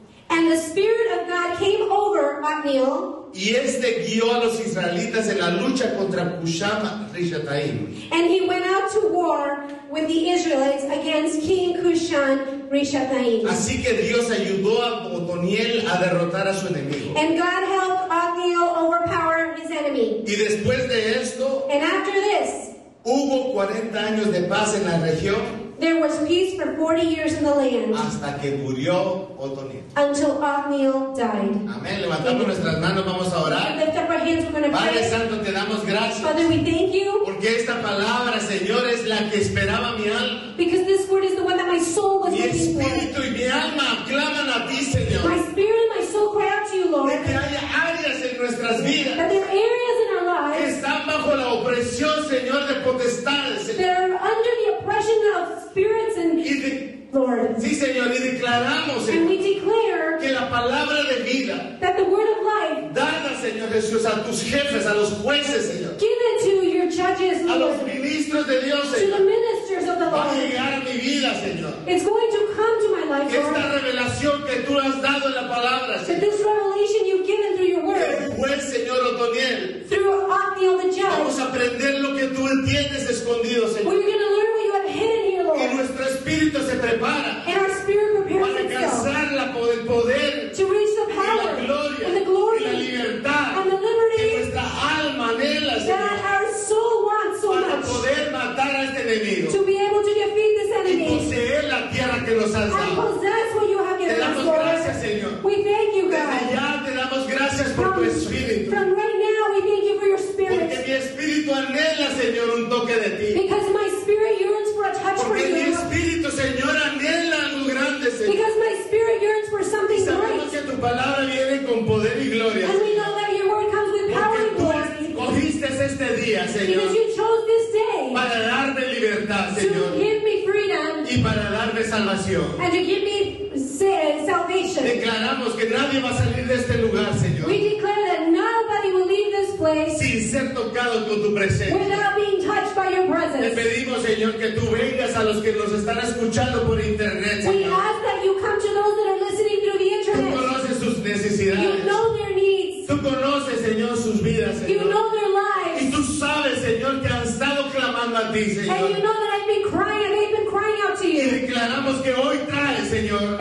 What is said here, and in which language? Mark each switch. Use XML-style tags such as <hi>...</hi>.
<en>And the Spirit of God came over Othniel.</en> <es>Y guió a los israelitas en la lucha contra Cushan-Rishathaim.</es> <en>And he went out to war with the Israelites against King Cushan-Rishathaim.</en> <es>Así que Dios ayudó a Otoniel a derrotar a su enemigo.</es> <en>And God helped Othniel overpower his enemy.</en> <es>Y después de esto,</es> <en>and after this,</en> <es>Hubo 40 años de paz en la región.</es> <en>There was peace for 40 years in the land.</en> <es>Hasta que murió Otoniel.</es> <en>Until Othniel died.</en> <es>Amén. Levantamos nuestras manos, vamos a orar.</es> <en>We lift up our hands, we're going to pray.</en> <es>Padre Santo, te damos gracias.</es> <en>Father, we thank you.</en> <es>Porque esta palabra, Señor, es la que esperaba mi alma.</es> <en>Because this word is the one that my soul was looking for.</en> <es>Mi espíritu y mi alma claman a ti, Señor.</es> <en>My spirit and my soul cry out to you, Lord.</en> <es>De que haya áreas en nuestras vidas.</es> <en>That there are areas in our lives.</en> <es>Que están bajo la opresión, Señor, de potestades, Señor.</es> <en>That are under the oppression of spirits and Lord.</en> <es>Sí, Señor, y declaramos, Señor,</es> <en>and we declare</en> <es>que la palabra de vida,</es> <en>that the word of life</en> <es>dada, Señor Jesús, a tus jefes, a los jueces, Señor,</es> <en>given to your judges,</en> <es>a los ministros de Dios, Señor,</es> <en>to the ministers of the Lord,</en> <es>va a llegar a mi vida, Señor.</es> <en>It's going to come to my life,</en> <es>esta</es> <en>Lord,</en> <es>revelación que tú has dado en la palabra, Señor,</es> <en>this revelation you've given through your word,</en> <es>el juez, Señor Otoniel,</es> <en>through Othniel the judge,</en> <es>vamos a aprender lo que tú entiendes escondido, Señor.</es> <en>We're going to learn what you have hidden.</en> <es>Y nuestro espíritu se prepara para alcanzar el poder,</es> <en>to reach the power,</en> <es>y la gloria,</es> <en>and the glory,</en> <es>y la libertad,</es> <en>and the liberty,</en> <es>que nuestra alma anhela, Señor,</es> <en>that our soul wants so</en> <es>para</es> <en>much,</en> <es>poder matar a este enemigo,</es> <en>to be able to defeat this enemy,</en> <es>y poseer la tierra que nos has dado.</es> <en>And possess what you have given</en> <es>us. Te damos gracias, Señor.</es> <en>We thank you, God.</en> <es>Desde ya te damos gracias por tu espíritu.</es> <en>From right now, we thank you for your spirit.</en> <es>Porque mi espíritu anhela, Señor, un toque de ti.</es> <en>Because my spirit yearns for a touch.</en> <es>Porque mi espíritu, Señor, anhela algo grande, Señor.</es> <en>Because my spirit yearns for something great.</en> <es>Y sabemos</es> <en>great,</en> <es>que tu palabra viene con poder y gloria.</es> <en>And we know that your word comes with</en> <es>porque</es> <en>power and glory.</en> <es>Porque tú cogiste este día, Señor.</es> <en>Because you chose this day.</en> <es>Para darme libertad,</es> <en>to</en> <es>Señor.</es> <en>To give me freedom.</en> <es>Y para darme salvación.</es> <en>And to give me salvation.</en> <es>Declaramos que nadie va a salir de este lugar, Señor.</es> <en>We declare that nobody will leave this place.</en> <es>Sin ser tocado con tu presencia.</es> <en>Without being touched by your presence.</en> <es>Le pedimos, Señor, que tú vengas a los que nos están escuchando por internet, Señor.</es> <en>We ask that you come to those that are listening through the internet.</en> <es>Tú conoces sus necesidades.</es> <en>You know their needs.</en> <es>Tú conoces, Señor, sus vidas, Señor.</es> <en>You know their lives.</en> <es>Y tú sabes, Señor, que han estado clamando a ti, Señor.</es> <en>And you know that I've been crying, they've been crying out to you.</en> <es>Y declaramos que hoy trae, Señor.</es>